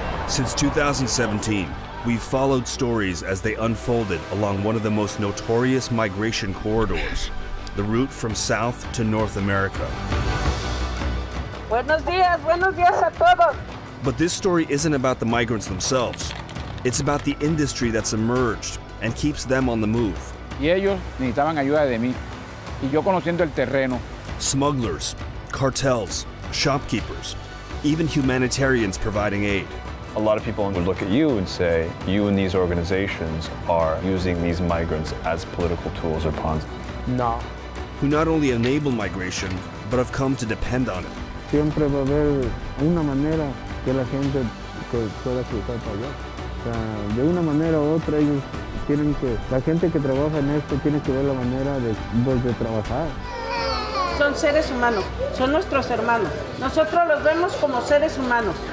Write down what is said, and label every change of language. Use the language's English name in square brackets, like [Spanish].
[English] Since 2017, we've followed stories as they unfolded along one of the most notorious migration corridors, the route from South to North America. [Spanish] Buenos dias a todos. [English] But this story isn't about the migrants themselves. It's about the industry that's emerged and keeps them on the move. [Spanish] Y ellos necesitaban ayuda de mí, y yo conociendo el terreno. [English] Smugglers, cartels, shopkeepers, even humanitarians providing aid. A lot of people would look at you and say, you and these organizations are using these migrants as political tools or pawns. No. Who not only enable migration, but have come to depend on it. [Spanish] Siempre va a haber una manera que la gente pueda cruzar para allá. De una manera u otra, ellos tienen que, la gente que trabaja en esto tiene que ver la manera de trabajar. Son seres humanos, son nuestros hermanos. Nosotros los vemos como seres humanos.